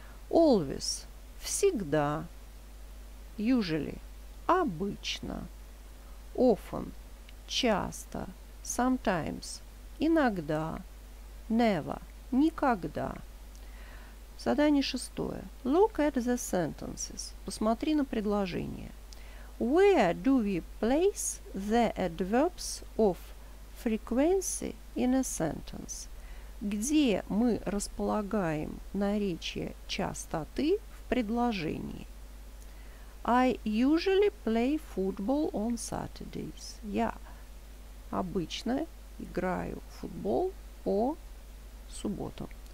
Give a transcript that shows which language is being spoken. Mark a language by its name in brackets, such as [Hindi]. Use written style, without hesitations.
[English] Always – [Russian] всегда, [English] usually – [Russian] обычно, [English] often – [Russian] часто, [English] sometimes – [Russian] иногда, [English] never – [Russian] никогда. Задание шестое. [English] Look at the sentences. [Russian] Посмотри на предложение. [English] Where do we place the adverbs of frequency in a sentence? [Russian] Где мы располагаем наречие частоты в предложении? [English] I usually play football on Saturdays. [Russian] Я обычно играю в футбол по субботам.